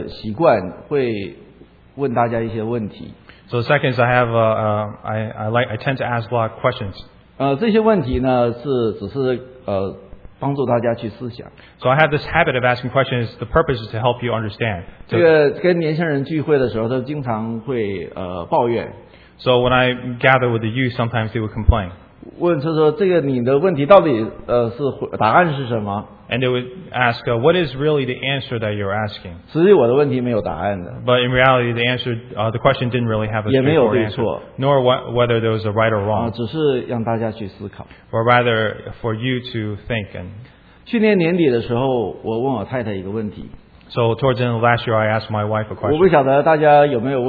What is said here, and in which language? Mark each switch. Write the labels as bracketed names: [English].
[Chinese] 第二个呢，我就说，我有个习惯会问大家一些问题。 [English] So the second is I tend to ask a lot of questions. [Chinese] 这些问题呢是只是帮助大家去思想。 [English] So I have this habit of asking questions. The purpose is to help you understand. [Chinese] 这个跟年轻人聚会的时候，他经常会抱怨。 [English] So when I gather with the youth, sometimes they would complain. [Chinese] 问他说这个你的问题到底是答案是什么？ [English] And they would ask, what is really the answer that you're asking? [Chinese] 实际我的问题没有答案的。 [English] But in reality, the answer, the question didn't really have a straightforward answer. Nor whether there was a right or wrong. [Chinese] 只是让大家去思考。 [English] Or rather, for you to think. [Chinese] 去年年底的时候，我问我太太一个问题。 [English] So towards the end of last year, I asked my wife a question.